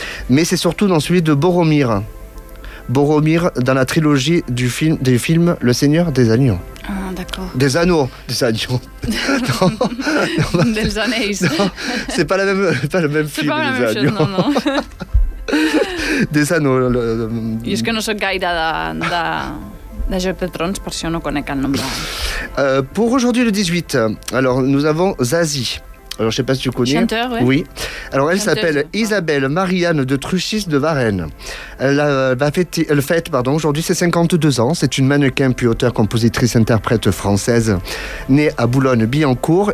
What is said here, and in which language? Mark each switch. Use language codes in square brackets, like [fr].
[fr] Mais c'est surtout dans celui de Boromir. Boromir dans la trilogie du film, des films Le Seigneur des Anneaux. Des anneaux, des agneaux. Des anneaux. C'est pas la même, pas le même film, pas la des même agneaux. Chose, non, non. Des anneaux. Le... [ca] I és que no soc gaire de Joc de Trons, per això no conec el nombre. [fr] Pour aujourd'hui, le 18, alors nous avons Zazie. Alors, je ne sais pas si tu connais. Chanteur, ouais. Oui. Alors, elle chanteur, s'appelle je... Isabelle Marianne de Truchis de Varennes. Elle va fêter, elle fête, pardon, aujourd'hui ses 52 ans. C'est une mannequin, puis auteure, compositrice, interprète française, née à Boulogne-Billancourt.